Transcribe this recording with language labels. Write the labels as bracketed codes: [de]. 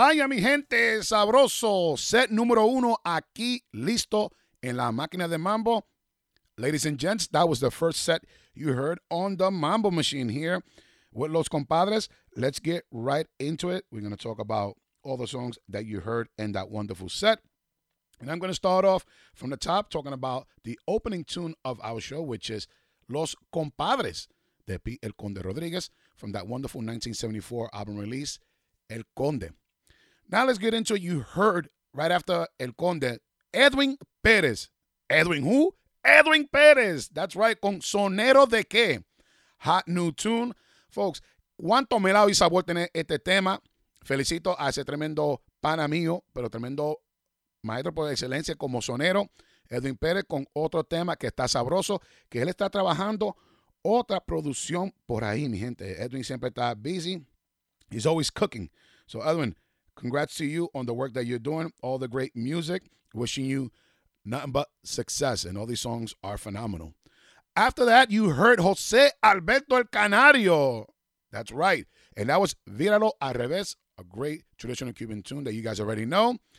[es] Sabroso, set número uno aquí listo en la máquina de Mambo. [en] Ladies and gents, that was the first set you heard on the Mambo machine here. with Los Compadres. Let's get right into it. We're going to talk about all the songs that you heard in that wonderful set. And I'm going to start off from the top talking about the opening tune of our show, which is Los Compadres de P. El Conde Rodriguez from that wonderful 1974 album release, El Conde. Now let's get into it. You heard right after El Conde, Edwin Perez. Edwin who? Edwin Perez. That's right. Con Sonero de Que. Hot new tune. [es] Folks, cuánto melado y sabor tiene este tema. Felicito a ese tremendo pana mío, pero tremendo maestro por excelencia como sonero, Edwin Perez, con otro tema que está sabroso, que él está trabajando otra producción por ahí, mi gente. Edwin siempre está [en] busy. He's always cooking. So, Edwin, congrats to you on the work that you're doing, all the great music. Wishing you nothing but success, and all these songs are phenomenal. After that, you heard José Alberto El Canario. That's right. And that was Víralo Al Revés, a great traditional Cuban tune that you guys already know.